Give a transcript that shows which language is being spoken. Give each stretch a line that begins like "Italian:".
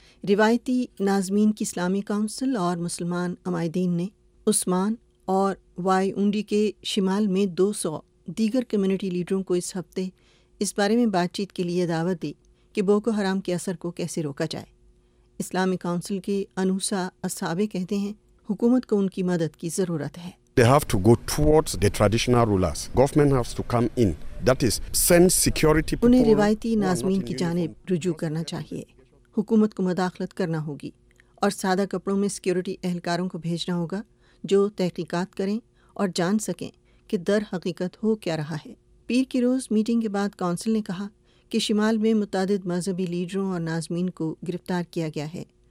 Urdu: روایتی ناظمین کی اسلامی کونسل اور مسلمان عمائدین نے عثمان اور وائی اونڈی کے شمال میں 200 دیگر کمیونٹی لیڈروں کو اس ہفتے اس بارے میں بات چیت کے لیے دعوت دی کہ بوکو حرام کے اثر کو کیسے روکا جائے۔ اسلامی کونسل کے انوسا اصحابے کہتے ہیں حکومت کو ان کی مدد کی ضرورت ہے۔
English: They have to go towards the traditional rulers. Government has to come in. That is, send security people.
Urdu: انہیں روایتی ناظمین کی جانب رجوع کرنا چاہیے، حکومت کو مداخلت کرنا ہوگی اور سادہ کپڑوں میں سیکیورٹی اہلکاروں کو بھیجنا ہوگا جو تحقیقات کریں اور جان سکیں کہ در حقیقت ہو کیا رہا ہے۔ پیر کی روز میٹنگ کے بعد کونسل نے کہا کہ شمال میں متعدد مذہبی لیڈروں اور ناظمین کو گرفتار کیا گیا ہے،